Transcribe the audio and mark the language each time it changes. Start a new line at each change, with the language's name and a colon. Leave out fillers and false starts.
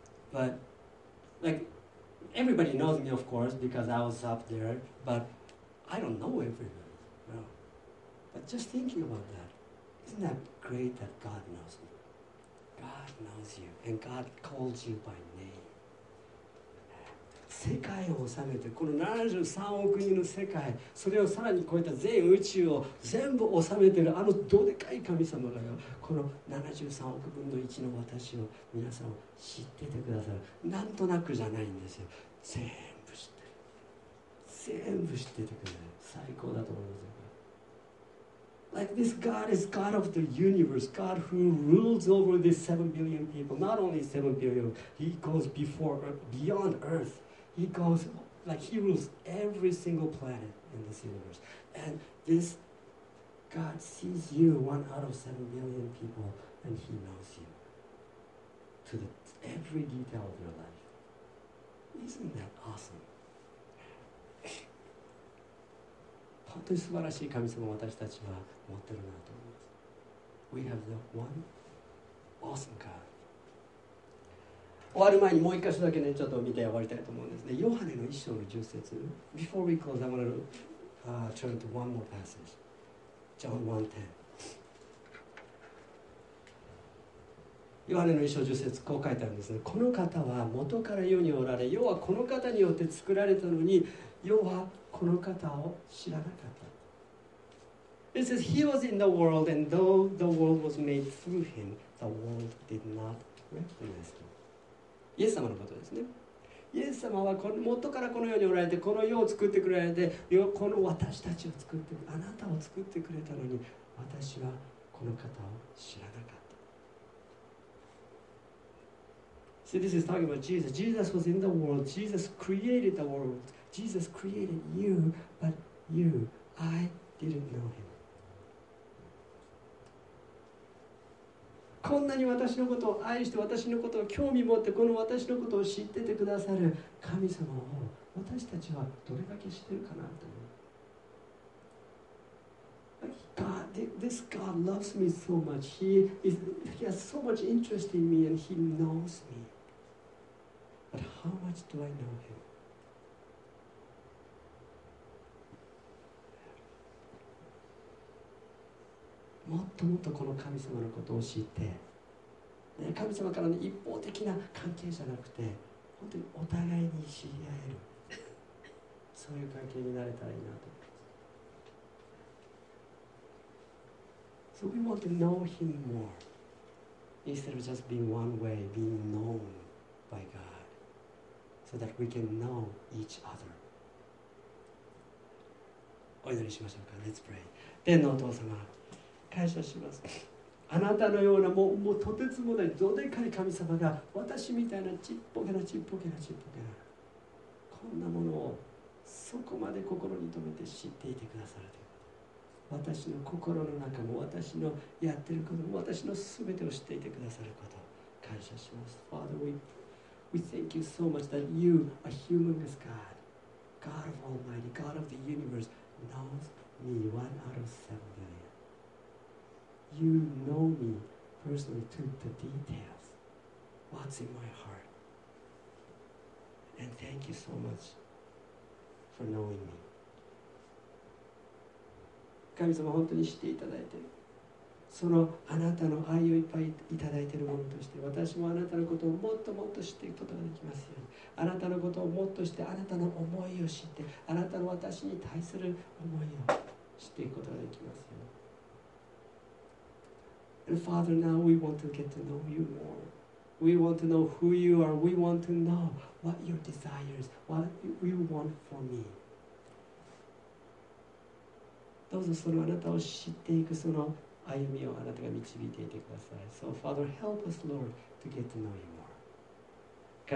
English: But like everybody knows me, of course, because I was up there. But I don't know everybody. You know? But just thinking about that, isn't that great that God knows me? God knows you, and God calls you by name.
Japanese: 世界を治めてこの73億人の世界、それをさらに超えた全宇宙を全部治めてるあのどでかい神様がよ、この73億分の1の私を皆さん知っててくださる。なんとなくじゃないんですよ、全部知ってる、全部知っててくださる。最高だと思いますよ。
English: Like this God is God of the universe, God who rules over this 7 billion people. Not only 7 billion, He goes before, beyond earthHe goes, like he rules every single planet in this universe. And this God sees you, one out of 7 billion people, and he knows you to the, every detail of your life. Isn't that awesome?
Japanese: 本当に素晴らしい神様を私たちは持ってるなと思います。
English: We have the one awesome God.
Japanese: 終わる前にもう一箇所だけね、ちょっと見て終わりたいと思うんですね。ヨハネの一章の十節。
English: Before we close, I'm going to turn to one more passage. John 1:10.
Japanese: ヨハネの一章十節、こう書いてあるんですね。この方は元から世におられ、世はこの方によって作られたのに、世はこの方を知らなかった。
English: It says, He was in the world, and though the world was made through Him, the world did not recognize Him.
Japanese: イエス様のことですね。イエス様は元からこの世におられて、この世を作ってくられて、この私たちを作って、あなたを作ってくれたのに、私はこの方を知らなかった。
English: See, this is talking about Jesus. Jesus was in the world. Jesus created the world. Jesus created you, but you, I didn't know him.
Japanese: こんなに私のことを愛して、私のことを興味持って、この私のことを知っててくださる神様を私たちはどれだけ知ってるかなと思う。
English: God, this God loves me so much. He has so much interest in me and he knows me. But how much do I know him?
Japanese: もっともっとこの神様のことを知って、ね、神様からの一方的な関係じゃなくて、本当にお互いに知り合えるそういう関係になれたらいいなと思います。
English: So we want to know him more instead of just being one way, being known by God so that we can know each other.
Japanese: お祈りしましょうか。
English: Let's pray.
Japanese: 天のお父様、感謝します。あなたのようなもうとてつもないどでかい神様が、私みたいなちっぽけなちっぽけなちっぽけなこんなものをそこまで心に留めて知っていてくださるということ、私の心の中も私のやってることも私のすべてを知っていてくださること感謝します。
English: Father, we thank you so much that you, a humongous God, God of Almighty, God of the universe, knows me, one out of 7 billion. You know me personally to the details, what's in my heart. And thank you so much for knowing me.
Japanese: 神様、本当に知っていただいて、そのあなたの愛をいっぱいいただいているものとして、私もあなたのことをもっともっと知っていくことができますように。あなたのことをもっと知って、あなたの思いを知って、あなたの私に対する思いを知っていくことができますように。
English: And Father, now we want to get to know you more. We want to know who you are. We want to know what your desires, what you want for me.
Japanese: どうぞそのあなたを知っていくその歩みをあなたが導いていてください。
English: So Father, help us, Lord, to get to know you more.